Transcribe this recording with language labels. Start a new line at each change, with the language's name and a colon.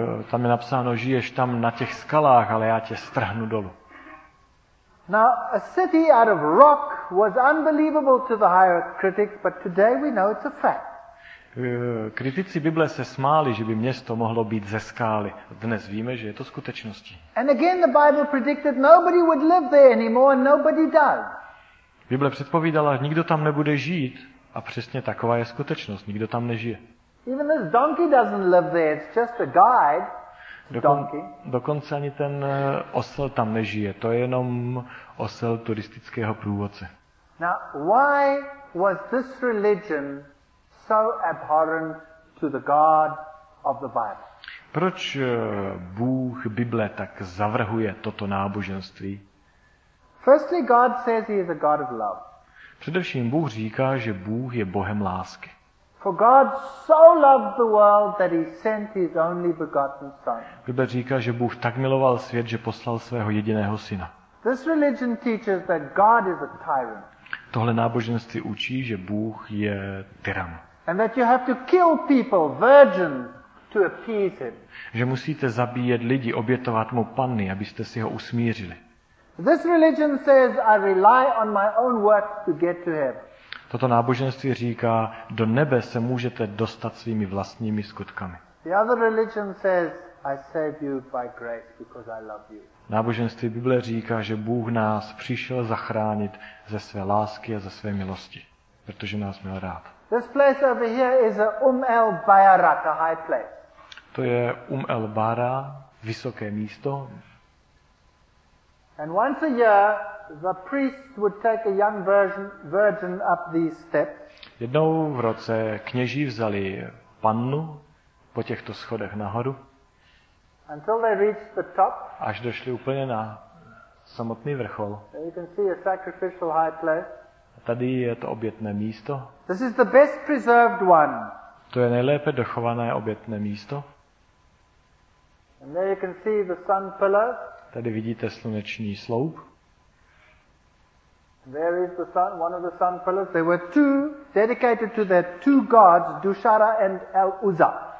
Czech: Tam je napsáno, žiješ tam na těch skalách, ale já tě strhnu dolů.
English: Now, a city out of rock was unbelievable to the higher critics, but today we know it's a fact.
Czech: Kritici Bible se smáli, že by město mohlo být ze skály. Dnes víme, že je to skutečností.
English: And again the Bible predicted nobody would live there anymore and nobody does.
Czech: Bible předpovídala, že nikdo tam nebude žít, a přesně taková je skutečnost, nikdo tam nežije.
English: Even this donkey doesn't live there, it's just a guide.
Czech: Dokonce ani ten osel tam nežije, to je jenom osel turistického průvodce.
English: Now, why was this religion so abhorrent to the God of the Bible?
Czech: Proč Bůh Bible tak zavrhuje toto náboženství?
English: Firstly, God says he is a God of love.
Czech: Především Bůh říká, že Bůh je Bohem lásky.
English: For God so loved the world that he sent his only begotten son.
Czech: Bible říká, že Bůh tak miloval svět, že poslal svého jediného syna.
English: This religion teaches that God is a tyrant.
Czech: Tohle náboženství učí, že Bůh je tyran.
English: And that you have to kill people, virgins, to appease him.
Czech: Že musíte zabíjet lidi, obětovat mu panny, abyste si ho usmířili.
English: This religion says I rely on my own works to get to heaven.
Czech: Toto náboženství říká, do nebe se můžete dostat svými vlastními skutkami.
English: The other religion says I save you by grace because I love you.
Czech: Náboženství Bible říká, že Bůh nás přišel zachránit ze své lásky a ze své milosti, protože nás měl rád.
English: This place over here is a el Bayarak, a high place.
Czech: To je el Bara, vysoké místo.
English: And once a year the priest would take a young virgin up these steps.
Czech: Jednou v roce kněží vzali pannu po těchto schodech nahoru.
English: Until they reached the top.
Czech: Až došli úplně na samotný vrchol.
English: And you can see a sacrificial high place.
Czech: A tady je to obětné místo.
English: This is the best preserved one.
Czech: To je nejlépe dochované obětné místo.
English: And there you can see the sun pillar.
Czech: Tady vidíte sluneční sloup.
English: There is the sun, one of the sun pillars. There were two dedicated to their two gods, Dushara and El Uzza.